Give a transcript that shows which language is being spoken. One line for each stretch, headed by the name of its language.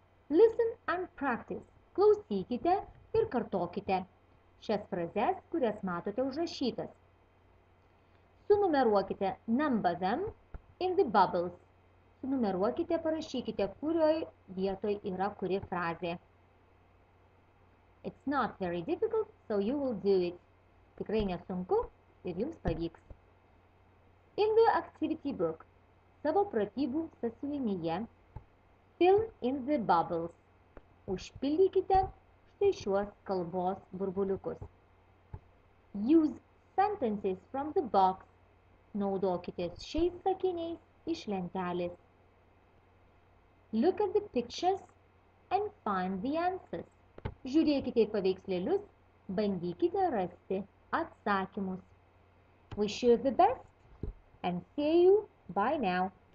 English: Listen and practice.
Lithuanian: Klausykite ir kartokite šias frazes, kurias matote užrašytas. Sunumeruokite
English: number them in the bubbles.
Lithuanian: Sunumeruokite, parašykite, kurioje vietoje yra kuri frazė.
English: It's not very difficult, so you will do it.
Lithuanian: Tikrai nesunku ir jums pavyks.
English: In the activity book,
Lithuanian: savo pratybų sąsiuvinyje,
English: fill in the bubbles.
Lithuanian: Užpildykite štai šiuos kalbos burbuliukus.
English: Use sentences from the box.
Lithuanian: Naudokitės šiais sakiniais iš lentelės.
English: Look at the pictures and find the answers.
Lithuanian: Žiūrėkite į paveikslėlius, bandykite rasti atsakymus.
English: Wish you the best and see you by now.